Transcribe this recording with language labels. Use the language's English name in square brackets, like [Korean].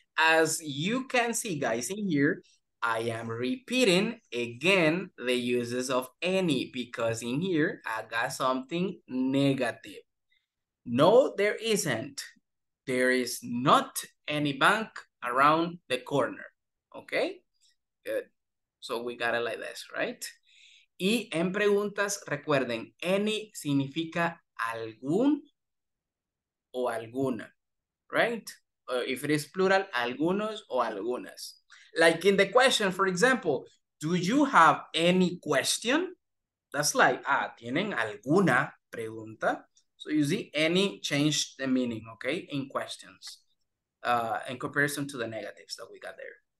[English] As you can see, guys, in here, I am repeating again the uses of any because in here I got something negative. No, there isn't. There is not any bank around the corner. Okay, good. So we got it like this, right? [Spanish] Y en preguntas, recuerden, any significa algún o alguna, [English] right? If it is plural, [Spanish] algunos o algunas. [English] Like in the question, for example, do you have any question? That's like, [Spanish] tienen alguna pregunta? [English] So you see, any change the meaning, okay, in questions in comparison to the negatives that we got there.